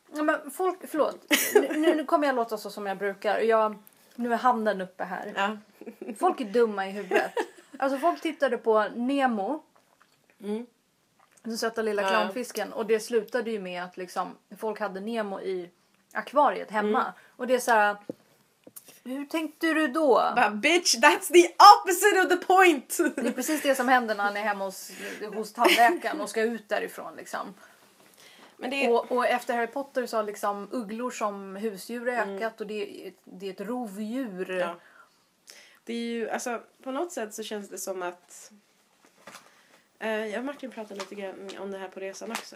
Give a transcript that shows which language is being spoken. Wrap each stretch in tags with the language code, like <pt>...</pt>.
<sv>Ja, men folk, förlåt, nu kommer jag låta så som jag brukar, nu är handen uppe här. Ja. Folk är dumma i huvudet. Alltså folk tittade på Nemo. Mm. Den söta lilla clownfisken. Och det slutade ju med att liksom, folk hade Nemo i akvariet hemma. Mm. Och det är så här. Hur tänkte du då?</sv> <en>But bitch, that's the opposite of the point!</en> <sv>Det är precis det som händer när han är hemma hos tandläkaren och ska ut därifrån. Liksom. Men det... och efter Harry Potter så har liksom ugglor som husdjur ökat och det är ett rovdjur. Ja. Det är ju, alltså, på något sätt så känns det som att... jag och Martin pratade lite grann om det här på resan också.</sv>